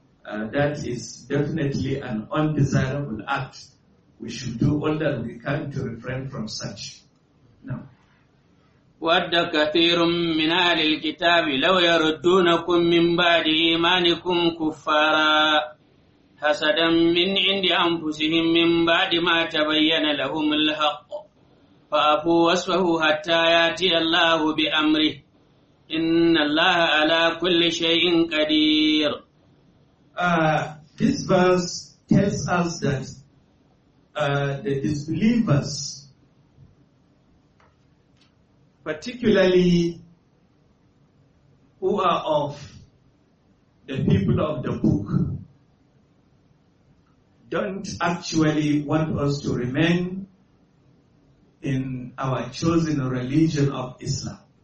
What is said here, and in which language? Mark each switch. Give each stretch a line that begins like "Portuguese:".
English: That is definitely an undesirable act. We should do all that we can to refrain from such. Now,
Arabic: ود كثير من أهل الكتاب لو يردونكم من بعد إيمانكم كفارا حسدا من عند أنفسهم من بعد ما تبين لهم الحق فأبوا وصفه حتى يأتي الله بأمره إن الله على كل شيء قدير.
English: This verse tells us that the disbelievers, particularly who are of the people of the book, don't actually want us to remain in our chosen religion of Islam.